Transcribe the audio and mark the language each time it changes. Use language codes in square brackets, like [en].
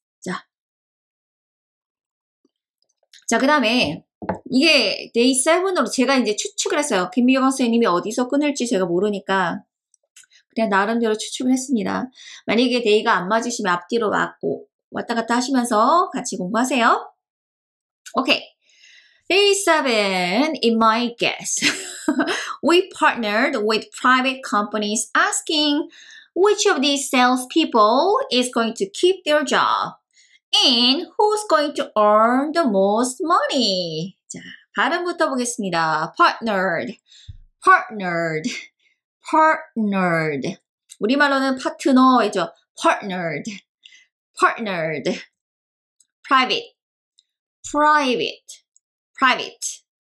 [ko] 자, 그 다음에 이게 데이 7으로 제가 이제 추측을 했어요. 김미경 선생님이 어디서 끊을지 제가 모르니까 그냥 나름대로 추측을 했습니다. 만약에 데이가 안 맞으시면 앞뒤로 왔고 왔다 갔다 하시면서 같이 공부하세요. 오케이. [en] Day 7, in my guess, we partnered with private companies asking which of these salespeople is going to keep their job. And who's going to earn the most money? [ko] 자, 발음부터 보겠습니다. [en] Partnered, partnered, partnered. [ko] 우리말로는 파트너이죠. [en] Partnered, partnered. Private, private, private.